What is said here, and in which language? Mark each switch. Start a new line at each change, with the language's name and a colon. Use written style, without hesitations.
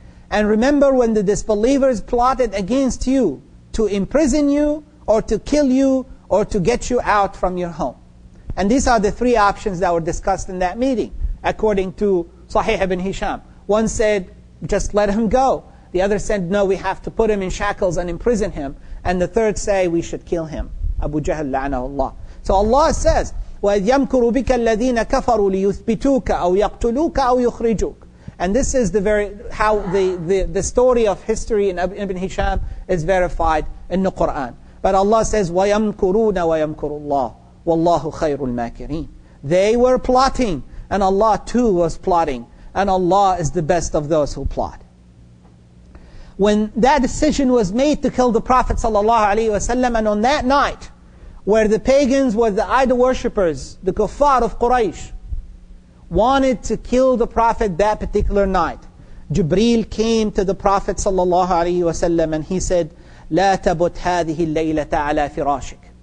English: And remember when the disbelievers plotted against you to imprison you or to kill you or to get you out from your home. And these are the three options that were discussed in that meeting according to Sahih ibn Hisham. One said, just let him go. The other said, no, we have to put him in shackles and imprison him. And the third say, we should kill him. Abu Jahl la'anahu Allah. So Allah says,
Arabic: وَإِذْ يَمْكُرُ بِكَ الَّذِينَ كَفَرُوا لِيُثْبِتُوكَ أَوْ يَقْتُلُوكَ أَوْ يُخْرِجُوكَ.
English: And this is the very how the story of history in Ibn Hisham is verified in the Quran. But Allah says,
Arabic: وَيَمْكُرُونَ وَيَمْكُرُ اللَّهُ وَاللَّهُ خَيْرُ الْمَاكِرِينَ.
English: They were plotting, and Allah too was plotting, and Allah is the best of those who plot. When that decision was made to kill the Prophet sallallahu alaihi wasallam, and on that night, where the pagans were the idol worshippers, the kuffar of Quraysh, wanted to kill the Prophet that particular night, Jibreel came to the Prophet sallallahu alaihi wasallam and he said,
Arabic: "لا تبت هذه الليلة على فراشك."